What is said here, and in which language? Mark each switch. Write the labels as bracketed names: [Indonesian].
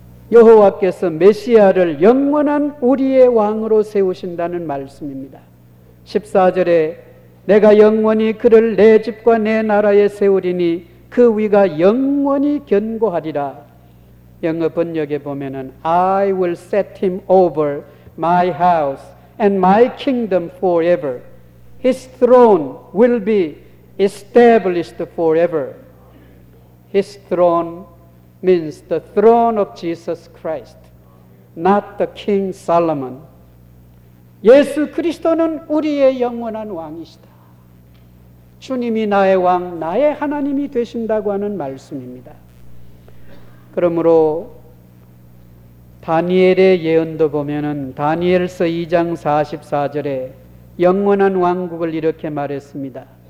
[Korean] 여호와께서 메시아를 영원한 우리의 왕으로 세우신다는 말씀입니다. 14절에 내가 영원히 그를 내 집과 내 나라에 세우리니 그 위가 영원히 견고하리라. 영어 번역에 보면은 [English] I will set him over my house and my kingdom forever. His throne will be established forever. His throne means the throne of Jesus Christ, not the King Solomon. [Korean] 예수 그리스도는 우리의 영원한 왕이시다. 주님이 나의 왕, 나의 하나님이 되신다고 하는 말씀입니다. 그러므로 다니엘의 예언도 보면은 다니엘서 2장 44절에 영원한 왕국을 이렇게 말했습니다.